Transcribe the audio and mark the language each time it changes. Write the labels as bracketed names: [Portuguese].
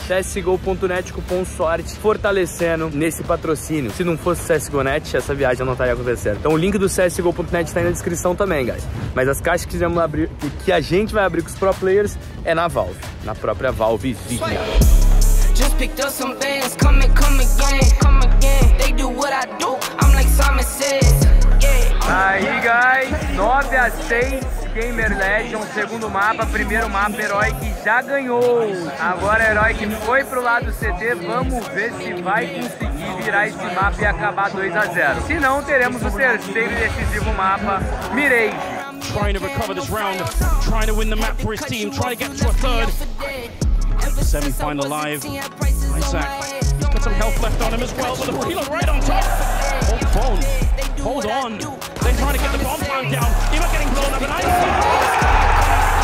[Portuguese] CSGO.net, cupom SORTE, fortalecendo nesse patrocínio. Se não fosse CSGO.net, essa viagem não estaria acontecendo. Então o link do CSGO.net tá aí na descrição também, guys. Mas as caixas que vamos abrir, que a gente vai abrir com os pro players é na Valve, na própria Valve Vigna. [English] Just picked up some bands, come again, they do what I do, I'm like Simon says, yeah. [Portuguese] Aí, guys, 9-6, Gamer Legion, segundo mapa, primeiro mapa, Heroic já ganhou. Agora Heroic foi pro lado CT, vamos ver se vai conseguir virar esse mapa e acabar 2-0. Se não, teremos o terceiro e decisivo mapa, Mirage. [English] Trying to recover this round, trying to win the map for his team, trying to get to a third. Semi-final live, Isaac. He's got some health left on him as well, but the reload right on top. Hold phone. Hold on. They're trying to get the bomb plant down. Even getting blown up, and I see.